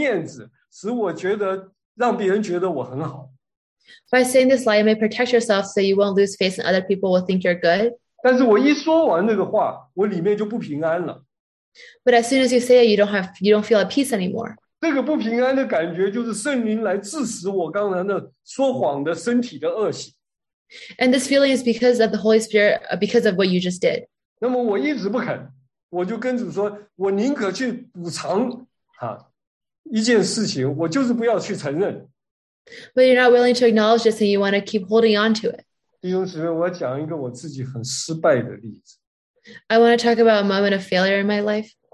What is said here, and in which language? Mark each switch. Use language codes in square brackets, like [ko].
[zh] 那么说了那个谎呢，就保护了我的自己，使我不失去面子，使我觉得让别人觉得我很好。 [en] By saying this lie, you may protect yourself so you won't lose face and other people will think you're good. [zh] 但是我一说完那个话，我里面就不平安了。 [en] But as soon as you say it, you don't feel at peace anymore. [zh] 这个不平安的感觉就是圣灵来致使我刚才那说谎的身体的恶习。 [en] And this feeling is because of the Holy Spirit, because of what you just did. [zh] 那么我一直不肯，我就跟主说，我宁可去补偿一件事情，我就是不要去承认。 [en] But you're not willing to acknowledge this and you want to keep holding on to it. [zh] 弟兄姊妹，我要讲一个我自己很失败的例子。 [en] I want to talk about a moment of failure in my life.